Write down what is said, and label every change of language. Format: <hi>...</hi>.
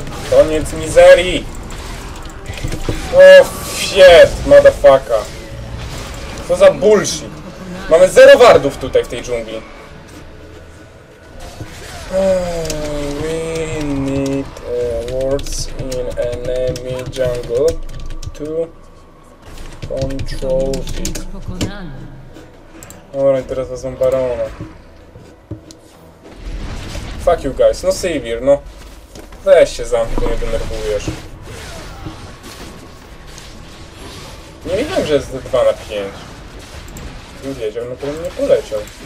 <pl>Koniec mizerii!</pl> <en>Oh shit, motherfucker!</en> <pl>Co za bullshit! Mamy zero wardów tutaj w tej dżungli!</pl> <en>We need wards in enemy jungle to control it.</en> <pl>Dobra, teraz wezmę barona.</pl> <en>Fuck you guys, no Sivir, no.</en> <pl>Weź się zamknij, nie denerwujesz. Nie wiedziałem, że jest 2 na 5. Gdybym wiedział, no to bym nie poleciał.</pl>